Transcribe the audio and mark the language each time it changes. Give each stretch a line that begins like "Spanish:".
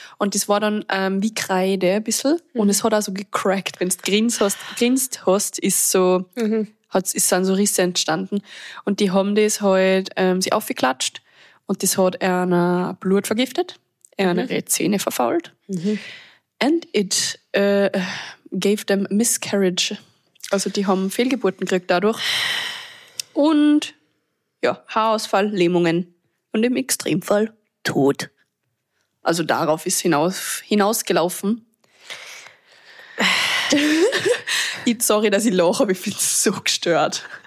German: Und das war dann wie Kreide ein bisschen. Mhm. Und es hat auch so gecrackt. Wenn du grinst hast, ist so, sind so Risse entstanden. Und die haben das halt sie aufgeklatscht und das hat eine Blut vergiftet, ihre Zähne verfault. Mhm.
English: And it gave them miscarriage.
German: Also die haben Fehlgeburten gekriegt dadurch. Und ja, Haarausfall, Lähmungen und im Extremfall Tod. Also darauf ist hinausgelaufen. Sorry, dass ich lache, aber ich bin so gestört.